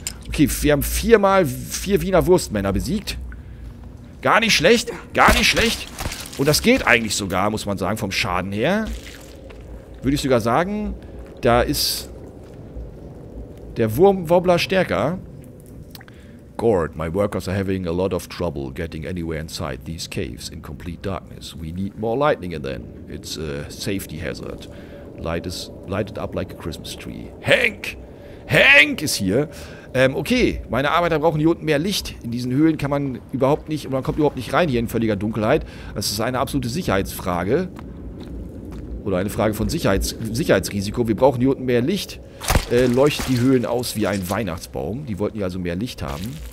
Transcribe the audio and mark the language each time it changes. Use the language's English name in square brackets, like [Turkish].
[German] Okay, wir haben vier Wiener Wurstmänner besiegt. Gar nicht schlecht, gar nicht schlecht. Und das geht eigentlich sogar, muss man sagen, vom Schaden her. Würde ich sogar sagen, da ist der Wurmwobbler stärker. [English] Gord, my workers are having a lot of trouble getting anywhere inside these caves in complete darkness. We need more lightning in them. It's a safety hazard. Light is lighted up like a Christmas tree. [German] Hank! Hank ist hier. Okay, meine Arbeiter brauchen hier unten mehr Licht. In diesen Höhlen kann man überhaupt nicht, man kommt überhaupt nicht rein hier in völliger Dunkelheit. Das ist eine absolute Sicherheitsfrage. Oder eine Frage von Sicherheitsrisiko. Wir brauchen hier unten mehr Licht. Leuchtet die Höhlen aus wie ein Weihnachtsbaum. Die wollten ja also mehr Licht haben.